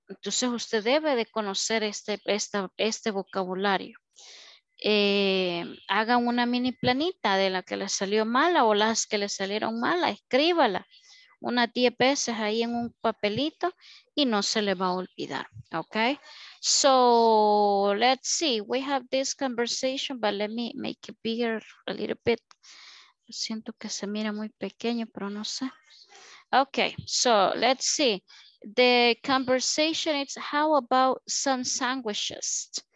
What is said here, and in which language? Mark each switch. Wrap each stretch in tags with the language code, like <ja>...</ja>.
<es>Entonces usted debe de conocer este vocabulario. Haga una mini planita de la que le salió mala o las que le salieron malas, escríbala unas 10 veces ahí en un papelito y no se le va a olvidar.</es> <en>Okay, so let's see, we have this conversation, but let me make it bigger a little bit.</en> <es>Siento que se mira muy pequeño, pero no sé.</es> <en>Okay, so let's see, the conversation is how about some sandwiches.</en>